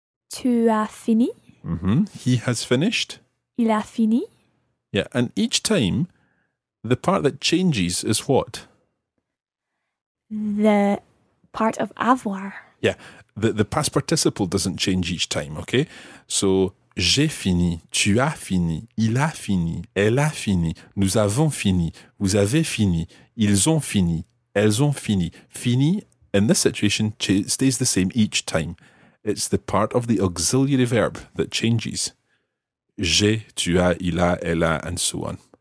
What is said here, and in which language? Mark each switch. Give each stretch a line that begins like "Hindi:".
French: Tu as fini.
English: Mm-hmm. He has finished.
French: Il a fini.
English: Yeah. And each time, the part that changes is what? The part of avoir. Yeah, the past participle doesn't change each time, okay?
French: So, j'ai fini, tu as fini, il a fini, elle a fini, nous avons fini, vous avez fini, ils ont fini, elles ont fini.
English: Fini, in this situation, stays the same each time. It's the part of the auxiliary verb that changes.
French: J'ai, tu as, il a, elle a, and so on.